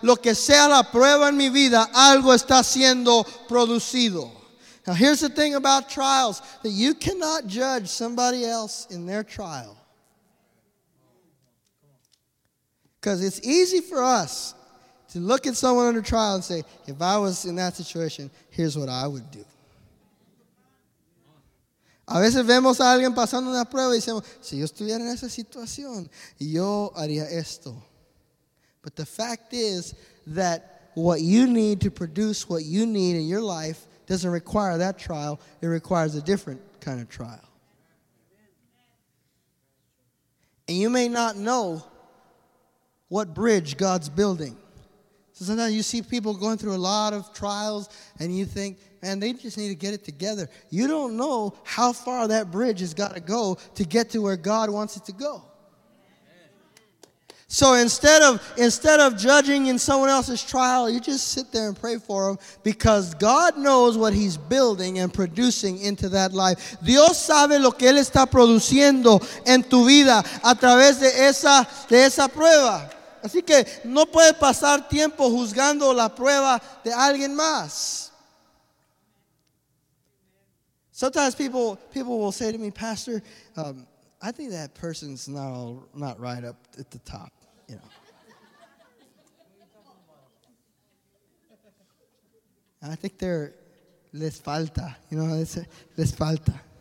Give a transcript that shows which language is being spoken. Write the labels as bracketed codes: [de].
[es] Lo que sea la prueba en mi vida, algo está siendo producido. [en] Now, here's the thing about trials, that you cannot judge somebody else in their trial. Because it's easy for us to look at someone under trial and say, if I was in that situation, here's what I would do. [es] A veces vemos a alguien pasando una prueba y decimos, si yo estuviera en esa situación, yo haría esto. [en] But the fact is that what you need to produce, what you need in your life, doesn't require that trial. It requires a different kind of trial. And you may not know what bridge God's building. So sometimes you see people going through a lot of trials and you think, man, they just need to get it together. You don't know how far that bridge has got to go to get to where God wants it to go. So instead of judging in someone else's trial, you just sit there and pray for them, because God knows what he's building and producing into that life. [es] Dios sabe lo que él está produciendo en tu vida a través de esa prueba. Así que no puede pasar tiempo juzgando la prueba de alguien más. [en] Sometimes people will say to me, Pastor, I think that person's not right up at the top, you know. I think they're [es] les falta, [en] you know, les falta.